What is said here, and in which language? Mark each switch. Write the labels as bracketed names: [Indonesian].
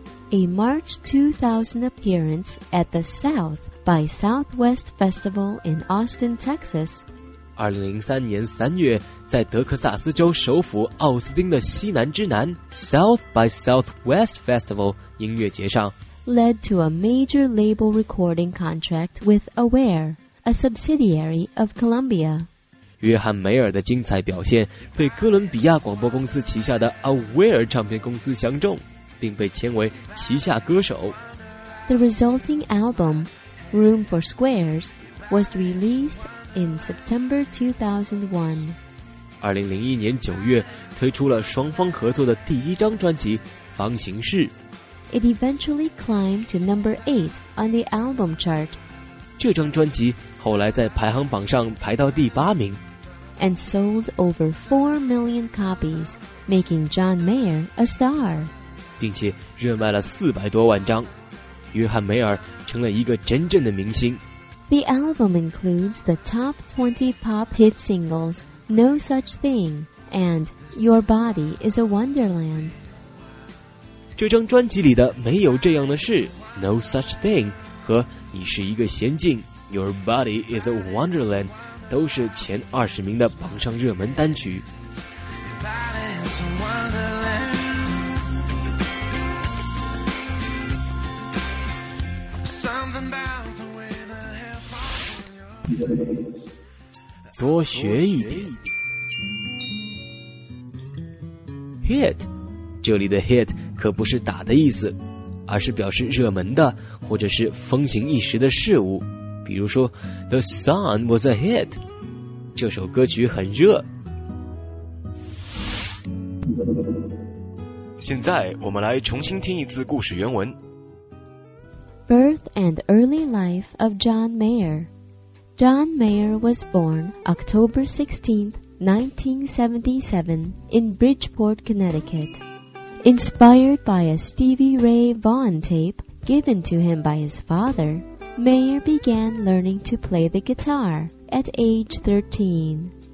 [English] A March 2000 appearance at the South by Southwest Festival in Austin, Texas. [Chinese] 2003年3月在德克萨斯州首府奥斯汀的西南之南 South by Southwest Festival 音乐节上 [English] led to a major label recording contract with Aware, a subsidiary of Columbia. [Chinese] 约翰·梅尔的精彩表现被哥伦比亚广播公司旗下的 Aware 唱片公司相中，并被签为旗下歌手。 [English] The resulting album, Room for Squares, was released in September 2001. [Chinese] 2001年9月推出了双方合作的第一张专辑《方形式》。 [English] It eventually climbed to number 8 on the album chart. [Chinese] 这张专辑后来在排行榜上排到第八名 [English] and sold over 4 million copies, making John Mayer a star. [Chinese] 并且热卖了400多万张，约翰·梅尔成了一个真正的明星。 [English] The album includes the top 20 pop hit singles No Such Thing and Your Body is a Wonderland. [Chinese] 这张专辑里的没有这样的事 No Such Thing 和你是一个仙境 Your body is a wonderland 都是前二十名的榜上热门单曲 Your body is a wonderland [English] Something about the way the hair falls on your [Chinese] 多学一点 Hit 这里的 hit 可不是打的意思而是表示热门的或者是风行一时的事物比如说 [English] The sun was a hit [Chinese] 这首歌曲很热现在我们来重新听一次故事原文 [English] Birth and early life of John Mayer John Mayer was born October 16th, 1977 in Bridgeport, Connecticut Inspired by a Stevie Ray Vaughan tapeGiven to him by his father, Mayer began learning to play the guitar at age 13.